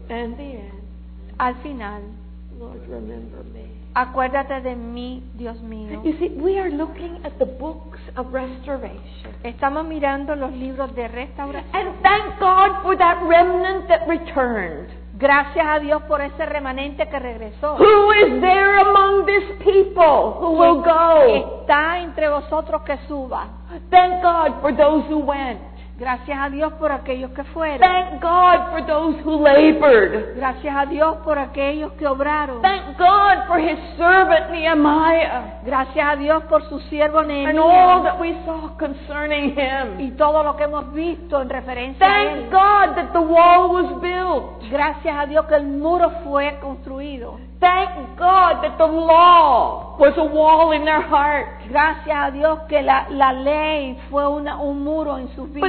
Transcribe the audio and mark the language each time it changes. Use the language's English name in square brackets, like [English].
[English] And the end. [Spanish] Al final. [English] Lord, remember me. [Spanish] Acuérdate de mí, Dios mío. [English] You see, we are looking at the books of restoration. [Spanish] Estamos mirando los libros de restauración. [English] And thank God for that remnant that returned. [Spanish] Gracias a Dios por ese remanente que regresó. [English] Who is there among this people who will go? [Spanish] Está entre vosotros que suba. [English] Thank God for those who went. [Spanish] Gracias a Dios por aquellos que fueron. [English] Thank God for those who labored. [Spanish] Gracias a Dios por aquellos que obraron. [English] Thank God for his servant Nehemiah. [Spanish] Gracias a Dios por su siervo Nehemiah. [English] And all that we saw concerning him. [Spanish] Y todo lo que hemos visto en referencia [English] Thank [Spanish] a él. [English] Thank God that the wall was built. [Spanish] Gracias a Dios que el muro fue construido. [English] Thank God that the law was a wall in their heart. [Spanish] Gracias a Dios que la ley fue un muro en su vida.